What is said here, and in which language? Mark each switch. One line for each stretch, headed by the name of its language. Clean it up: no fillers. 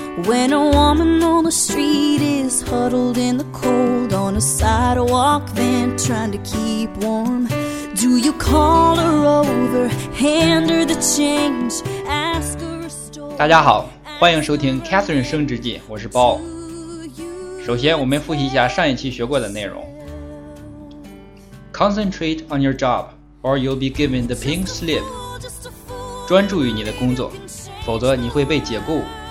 English: When a woman on the street is huddled in the cold on a sidewalk vent trying to keep warm, do you call her over, hand her the change, ask her a story?
Chinese: 大家好，欢迎收听 Catherine 升职记，我是包。首先我们复习一下上一期学过的内容。
English: Concentrate on your job, or you'll be given the pink slip.
Chinese: 专注于你的工作，否则你会被解雇。